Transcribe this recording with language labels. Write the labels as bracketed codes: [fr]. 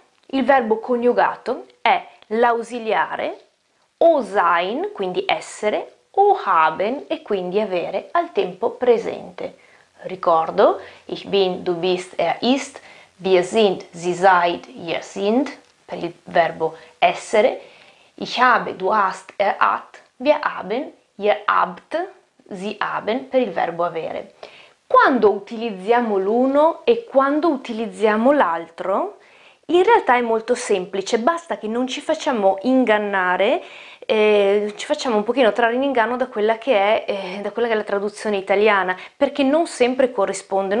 [it] Il verbo coniugato è l'ausiliare o sein, quindi essere, o haben, e quindi avere, al tempo presente. Ricordo, [de] ich bin, du bist, er ist, wir sind, sie seid, ihr sind, [it] per il verbo essere, [de] ich habe, du hast, er hat, wir haben, ihr habt, sie haben, [it] per il verbo avere. Quando utilizziamo l'uno e quando utilizziamo l'altro, in realtà è molto semplice, basta che non ci facciamo ingannare, ci facciamo un pochino trarre in inganno da quella che è la traduzione italiana, perché non sempre corrisponde.